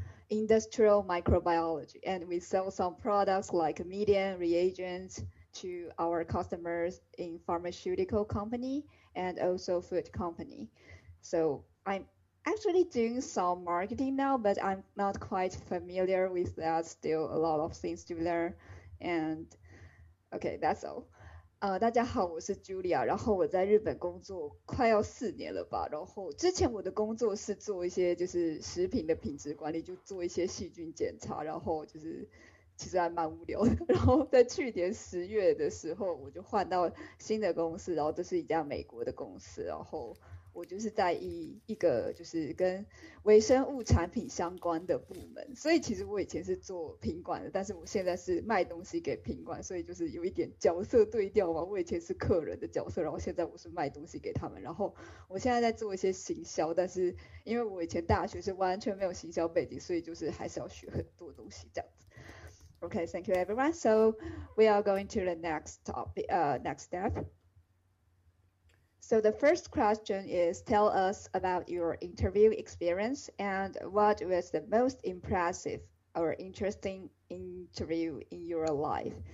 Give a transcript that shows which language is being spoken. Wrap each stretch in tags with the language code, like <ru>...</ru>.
<en>industrial microbiology, and we sell some products like medium reagents to our customers in pharmaceutical company and also food company. So I'm actually doing some marketing now, but I'm not quite familiar with that. Still a lot of things to learn. And okay, that's all.</en> <zh>大家好，我是 Julia, 然后我在日本工作快要4年了吧，然后之前我的工作是做一些就是食品的品质管理，就做一些细菌检查，然后就是其实还蛮无聊的，然后在去年10月的时候我就换到新的公司，然后这是一家美国的公司，然后我就是在一个就是跟微生物产品相关的部门，所以其实我以前是做品管的，但是我现在是卖东西给品管，所以就是有一点角色对调嘛。我以前是客人的角色，然后现在我是卖东西给他们，然后我现在在做一些行销，但是因为我以前大学是完全没有行销背景，所以就是还是要学很多东西这样子。</zh> <en>Okay, thank you everyone. So we are going to the next topic, next step. So the first question is, tell us about your interview experience and what was the most impressive or interesting interview in your life.</en>